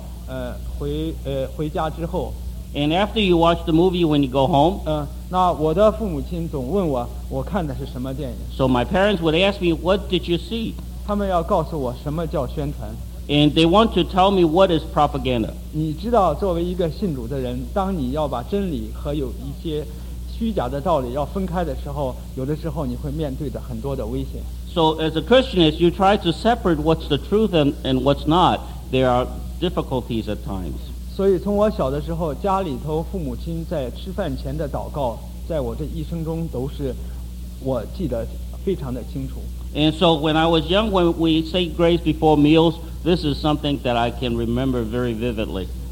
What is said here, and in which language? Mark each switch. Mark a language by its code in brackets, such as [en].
[zh] 当你看完电影的回家之后。 [en] And after you watch the movie when you go home. [zh] 那我的父母亲总问我，我看的是什么电影。 [en] So my parents would ask me, what did you see? [zh] 他们要告诉我什么叫宣传。 [en] And they want to tell me what is propaganda. [zh] 你知道，作为一个信主的人， 当你要把真理和有一些虚假的道理要分开的时候， 有的时候你会面对着很多的危险。 [en] So as a Christian, as you try to separate what's the truth and what's not, there are difficulties at times. [zh] 所以从我小的时候， 家里头父母亲在吃饭前的祷告， 在我这一生中都是 我记得非常的清楚。 [en] And so when I was young, when we say grace before meals, this is something that I can remember very vividly.